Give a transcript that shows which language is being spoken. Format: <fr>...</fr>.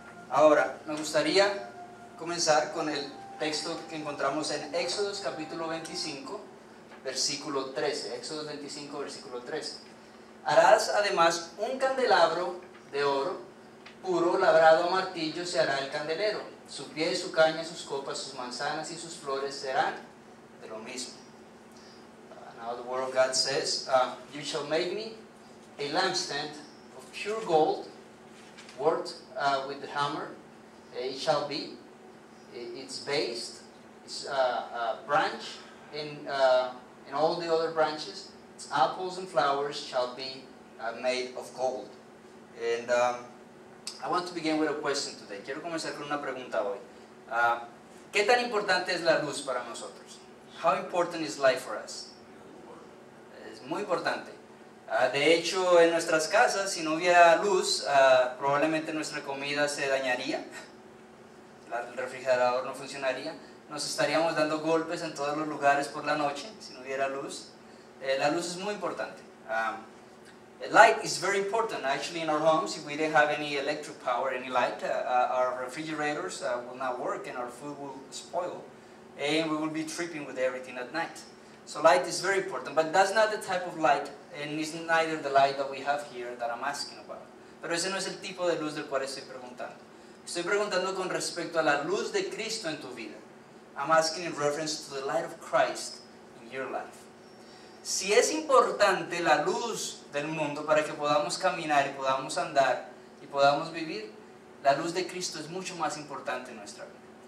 <es>Ahora, me gustaría comenzar con el texto que encontramos en Éxodo capítulo 25, versículo 13. Éxodo 25, versículo 13. Harás además un candelabro de oro puro, labrado a martillo, se hará el candelero. Su pie, su caña, sus copas, sus manzanas y sus flores serán de lo mismo.</es> <en>Now the word of God says, you shall make me a lampstand of pure gold, worked with the hammer. It shall be, its base, its branch, and all the other branches, its apples and flowers shall be made of gold. And I want to begin with a question today.</en> <es>Quiero comenzar con una pregunta hoy. ¿Qué tan importante es la luz para nosotros?</es> <en>How important is light for us?</en> <es>Es muy importante. De hecho, en nuestras casas, si no hubiera luz, probablemente nuestra comida se dañaría. El refrigerador no funcionaría. Nos estaríamos dando golpes en todos los lugares por la noche, si no hubiera luz. La luz es muy importante.</es> <en>Light is very important. Actually, in our homes, if we didn't have any electric power, any light, our refrigerators will not work and our food will spoil. And we will be tripping with everything at night. So light is very important. But that's not the type of light, and it's neither the light that we have here that I'm asking about.</en> <es>Pero ese no es el tipo de luz del cual estoy preguntando. Estoy preguntando con respecto a la luz de Cristo en tu vida.</es> <en>I'm asking in reference to the light of Christ in your life.</en> <es>Si es importante la luz del mundo para que podamos caminar y podamos andar y podamos vivir, la luz de Cristo es mucho más importante en nuestra vida.</es>